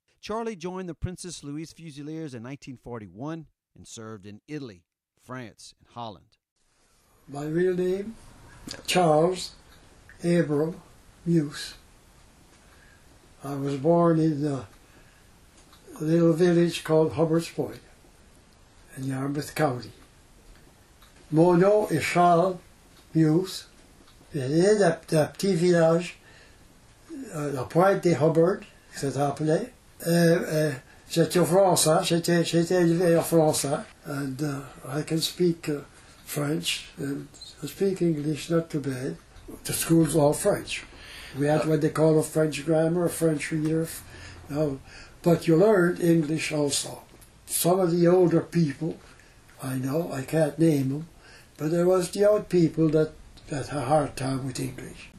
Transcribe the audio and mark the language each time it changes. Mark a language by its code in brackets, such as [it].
[en] Charlie joined the Princess Louise Fusiliers in 1941 and served in Italy, France, and Holland. My real name, Charles Averill Muse. I was born in a little village called Hubbard's Point in Yarmouth County. [fr] Mon nom est Charles Muse. J'ai né d'un petit village, la pointe de Hubbard, ça s'appelait. J'étais en France, hein? J'étais élevé en France, hein? [en] And I can speak French, and I speak English, not too bad. The school's all French. We had what they call a French grammar, a French reader. No, but you learned English also. Some of the older people, I know, I can't name them, but there was the old people that had a hard time with English.